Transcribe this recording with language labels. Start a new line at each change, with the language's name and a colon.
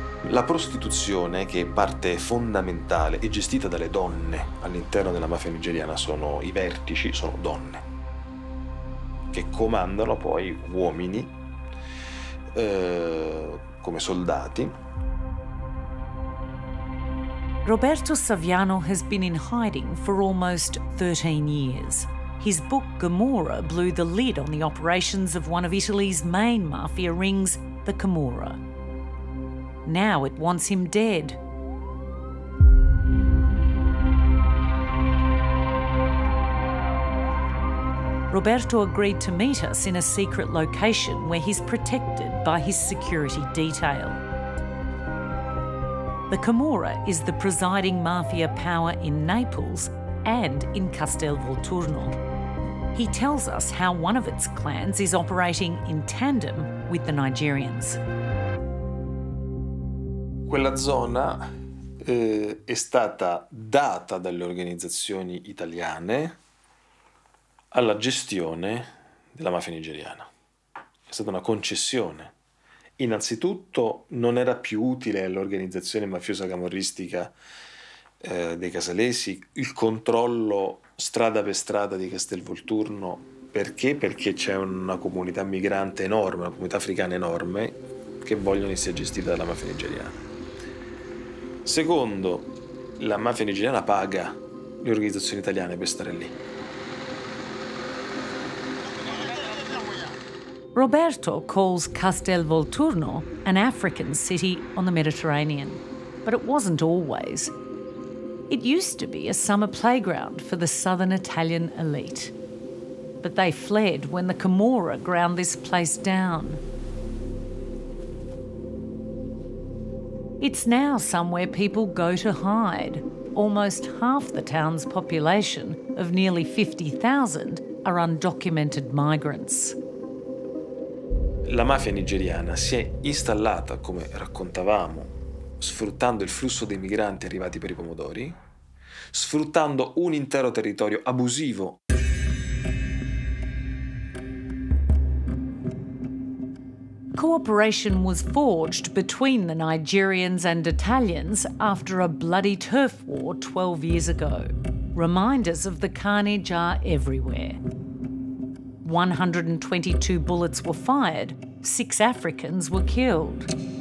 Italian: La prostituzione, che è parte fondamentale e gestita dalle donne all'interno della mafia nigeriana, sono i vertici, sono donne, che comandano poi uomini come soldati.
English: Roberto Saviano has been in hiding for almost 13 years. His book Gomorrah blew the lid on the operations of one of Italy's main mafia rings, the Camorra. Now it wants him dead. Roberto agreed to meet us in a secret location where he's protected by his security detail. The Camorra is the presiding mafia power in Naples and in Castelvolturno. He tells us how one of its clans is operating in tandem with the Nigerians.
Italian: Quella zona è stata data dalle organizzazioni italiane alla gestione della mafia nigeriana. È stata una concessione. Innanzitutto non era più utile all'organizzazione mafiosa camorristica dei casalesi il controllo strada per strada di Castelvolturno. Perché? Perché c'è una comunità migrante enorme, una comunità africana enorme, che vogliono essere gestita dalla mafia nigeriana. Secondo, la mafia nigeriana paga le organizzazioni italiane per stare lì.
English: Roberto calls Castelvolturno an African city on the Mediterranean, but it wasn't always. It used to be a summer playground for the southern Italian elite, but they fled when the Camorra ground this place down. It's now somewhere people go to hide. Almost half the town's population of nearly 50,000 are undocumented migrants.
Italian: La mafia nigeriana si è installata, come raccontavamo, sfruttando il flusso dei migranti arrivati per i pomodori, sfruttando un intero territorio abusivo.
English: Cooperation was forged between the Nigerians and Italians after a bloody turf war 12 years ago. Reminders of the carnage are everywhere. 122 bullets were fired, 6 Africans were killed.